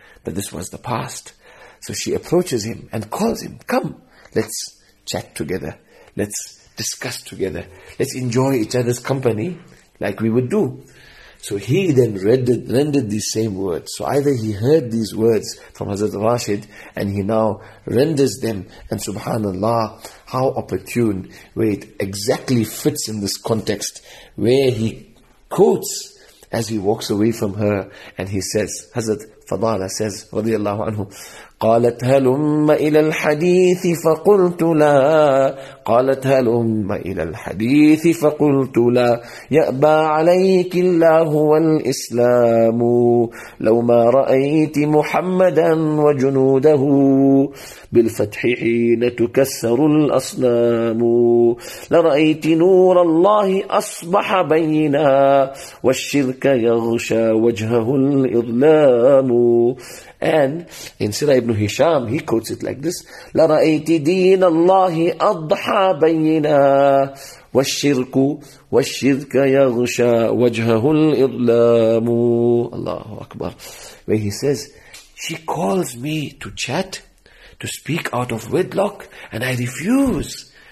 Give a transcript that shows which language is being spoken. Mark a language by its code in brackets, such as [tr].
[en] But this was the past. So she approaches him and calls him, come, let's chat together, let's discuss together, let's enjoy each other's company like we would do. So he then rendered these same words. So either he heard these words from Hazrat Rashid and he now renders them. And subhanAllah, how opportune, where it exactly fits in this context, where he quotes as he walks away from her and he says, Hazrat Fadala says, radiallahu anhu, [ar] قالت هلم إلى الحديث فقلت لا قالت هلم إلى الحديث فقلت لا يأبى عليك الله والإسلام لو ما رأيت محمدا وجنوده بالفتح حين تكسر الأصنام لرأيت نور الله أصبح بينا والشرك يغشى وجهه الإظلام. [en] And in Sirah ibn Hisham, he quotes it like this: [ar] لَرَأَيْتِ دِينَ اللَّهِ أَضْحَى بَيِّنَا وَالشِّرْكُ وَالشِّرْكَ يَغْشَى وَجْهَهُ الْإِظْلَامُ. Allahu Akbar. [en] Where he says, she calls me to chat, to speak out of wedlock, and I refuse.